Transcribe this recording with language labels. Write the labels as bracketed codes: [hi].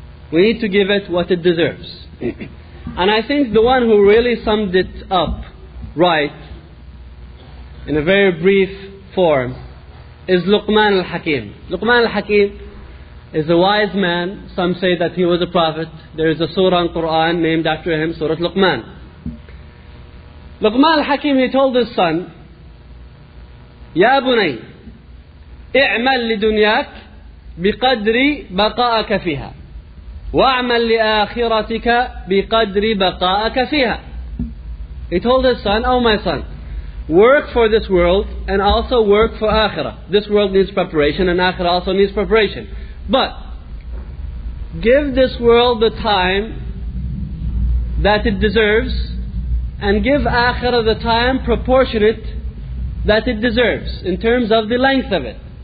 [en] We need to give it what it deserves. And I think the one who really summed it up right, in a very brief form, is Luqman al-Hakim. Luqman al-Hakim is a wise man. Some say that he was a prophet. There is a surah in Quran named after him, Surah Luqman. Luqman al-Hakim, he told his son, [ar] يا بني اعمل لدنياك بقدر بقاءك فيها وَعْمَلْ لِآخِرَتِكَ بِقَدْرِ بَقَاءَكَ فِيهَا. [en] He told his son, oh my son, work for this world and also work for Akhirah. This world needs preparation and Akhirah also needs preparation. But give this world the time that it deserves and give Akhirah the time proportionate that it deserves in terms of the length of it.